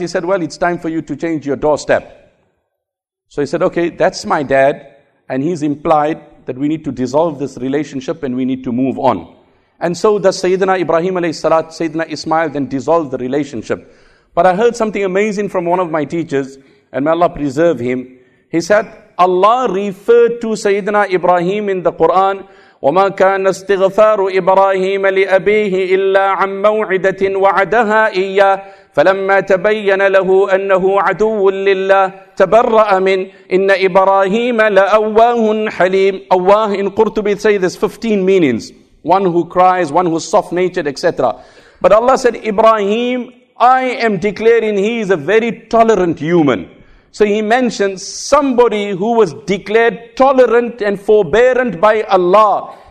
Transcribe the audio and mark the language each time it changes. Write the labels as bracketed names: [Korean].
[English] He said, well, it's time for you to change your doorstep. So he said, okay, that's my dad, and he's implied that we need to dissolve this relationship and we need to move on. And so the Sayyidina Ibrahim alayhi salat, Sayyidina Ismail then dissolved the relationship. But I heard something amazing from one of my teachers, and may Allah preserve him. He said, Allah referred to Sayyidina Ibrahim in the Quran, [Arabic] وَمَا كَانَ اسْتِغْفَارُ إِبْرَاهِيمَ لِأَبِيهِ إِلَّا عَنْ مَوْعِدَةٍ وَعَدَهَا إِيَّا فَلَمَّا تَبَيَّنَ لَهُ أَنَّهُ عَدُوٌ لِلَّهِ تَبَرَّأَ مِنْ إِنَّ إِبْرَاهِيمَ لَأَوَّاهٌ حَلِيمٌ. [English] Allah in Qurtubi say this 15 meanings. One who cries, one who is soft-natured, etc. But Allah said, Ibrahim, I am declaring he is a very tolerant human. So he mentions somebody who was declared tolerant and forbearant by Allah.